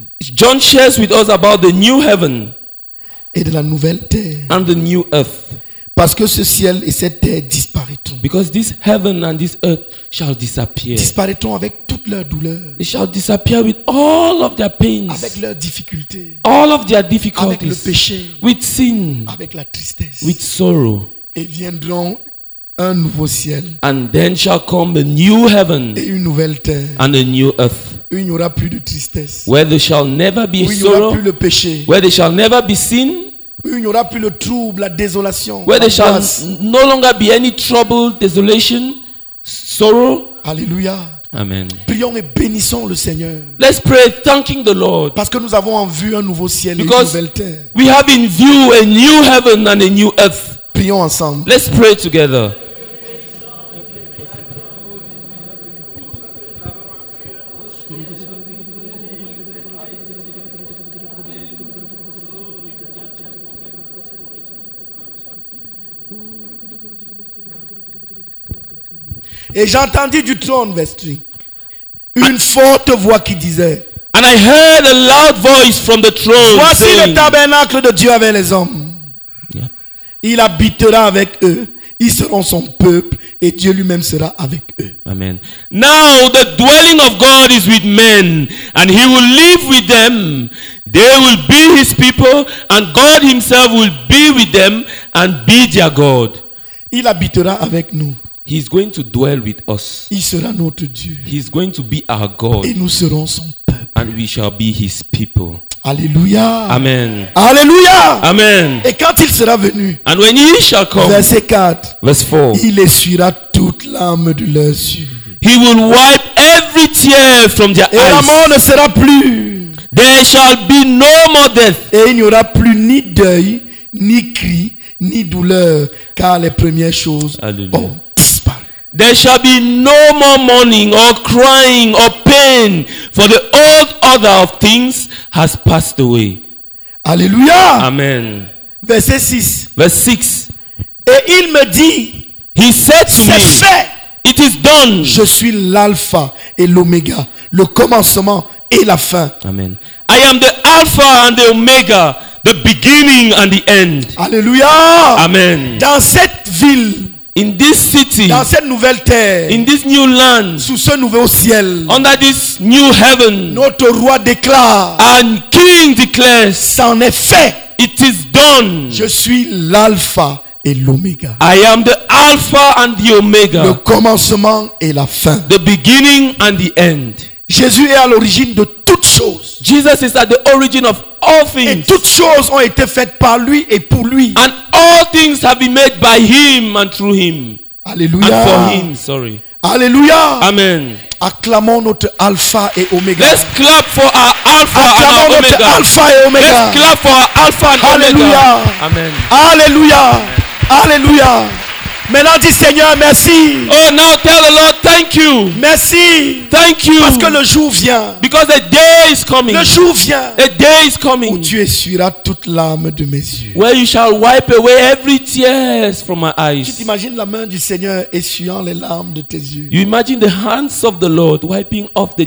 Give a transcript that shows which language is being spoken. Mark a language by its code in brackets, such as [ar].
[en] John shares with us about the new heaven [fr] et de la nouvelle terre. [en] And the new earth. [fr] Parce que ce ciel et cette terre disparaîtront. [en] Because this heaven and this earth shall disappear. [fr] Disparaîtront avec toute leur douleur. [en] They shall disappear with all of their pains. [fr] Avec leurs difficultés. [en] All of their difficulties. [fr] Avec le péché. [en] With sin. [fr] Avec la tristesse. [en] With sorrow. [fr] Et viendront un nouveau ciel. [en] And then shall come a new heaven. [fr] Et une nouvelle terre. [en] And a new earth. [fr] Où il n'y aura plus de tristesse. [en] Where there shall never be sorrow. [fr] Où il n'y aura plus le péché. [en] Where there shall never be sin. [fr] Où il n'y aura plus le trouble, la désolation. [en] Where there shall no longer be any trouble, desolation, sorrow. [fr] Alléluia. Amen. Prions et bénissons le Seigneur. [en] Let's pray, thanking the Lord. [fr] Parce que nous avons en vue un nouveau ciel [en] Because [fr] et une nouvelle terre. [en] We have in view a new heaven and a new earth. [fr] Prions ensemble. [en] Let's pray together. [fr] Et j'entendis du trône, verset 3, une forte voix qui disait. [en] And I heard a loud voice from the throne. [fr] Voici [en] saying, [fr] le tabernacle de Dieu avec les hommes. [en] Yeah. [fr] Il habitera avec eux. Ils seront son peuple et Dieu lui-même sera avec eux. Amen. [en] Now the dwelling of God is with men and he will live with them. They will be his people and God himself will be with them and be their God. [fr] Il habitera avec nous. [en] He is going to dwell with us. [fr] Il sera notre Dieu. [en] He is going to be our God. [fr] Et nous serons son peuple. [en] And we shall be his people. Alléluia. Amen. Alléluia. Amen. [fr] Et quand il sera venu, [en] and when he shall come, [fr] verset 4, [en] verse 4, [fr] il essuiera toute l'âme de leurs yeux. [en] He will wipe every tear from their eyes. [fr] Et la mort ne sera plus. [en] There shall be no more death. [fr] Et il n'y aura plus ni deuil, ni cri, ni douleur, car les premières choses. Alléluia. [en] There shall be no more mourning or crying or pain, for the old order of things has passed away. Alléluia. Amen. [fr] Verset 6. [en] Verse 6. [fr] Et il me dit, [en] he said to [fr] c'est [en] me, [fr] fait. [en] It is done. [fr] Je suis l'alpha et l'oméga, le commencement et la fin. Amen. [en] I am the alpha and the omega, the beginning and the end. Alléluia. Amen. [fr] Dans cette ville, [en] in this city, [fr] dans cette nouvelle terre, [en] in this new land, [fr] sous ce nouveau ciel, [en] under this new heaven, [fr] notre roi déclare, [en] and king declares, [fr] c'en est fait, [en] it is done. [fr] Je suis l'alpha et l'oméga. [en] I am the alpha and the omega. [fr] Le commencement et la fin. [en] The beginning and the end. [fr] Jésus est à l'origine de toutes choses. [en] Jesus is at the origin of all things. [fr] Et toutes choses ont été faites par lui et pour lui. [en] And all things have been made by him and through him. Alléluia. And for him, sorry. Alléluia. Amen. [fr] Acclamons notre Alpha et Omega. [en] Let's clap for our Alpha [fr] Acclamons [en] and our [fr] notre [en] Omega. [fr] Alpha et Omega. [en] Let's clap for our Alpha and Alléluia. Omega. Amen. Alléluia. Amen. Alléluia. [fr] Maintenant dis Seigneur merci. [en] Oh now tell the Lord thank you. [fr] Merci. [en] Thank you. [fr] Parce que le jour vient. [en] Because the day is coming. [fr] Le jour vient. [en] The day is coming. [fr] Où tu essuieras toute l'âme de mes yeux. [en] Where you shall wipe away every tears from my eyes. [fr] Tu t'imagines la main du Seigneur essuyant les larmes de tes yeux. [en] You imagine the hands of the Lord wiping off the